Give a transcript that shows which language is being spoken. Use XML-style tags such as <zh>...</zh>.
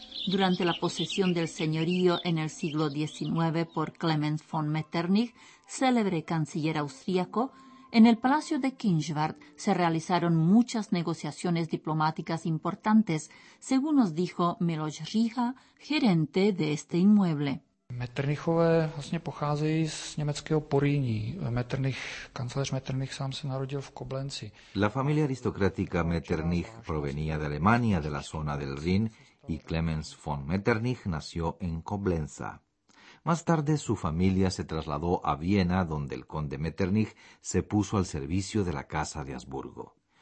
<es>Durante la posesión del señorío en el siglo XIX por Clemens von Metternich, célebre canciller austríaco, en el palacio de Kinžvart se realizaron muchas negociaciones diplomáticas importantes, según nos dijo Miloš Říha, gerente de este inmueble.</es> <cs>Metternichové vlastně pocházejí z německého Porýní. Metternich, kancléř Metternich sám se narodil v Koblenci.</cs> <es>La familia aristocrática Metternich provenía de Alemania, de la zona del Rin, y Clemens von Metternich nació en Coblenza. Más tarde su familia se trasladó a Viena, donde el conde Metternich se puso al servicio de la casa de Habsburgo.</es>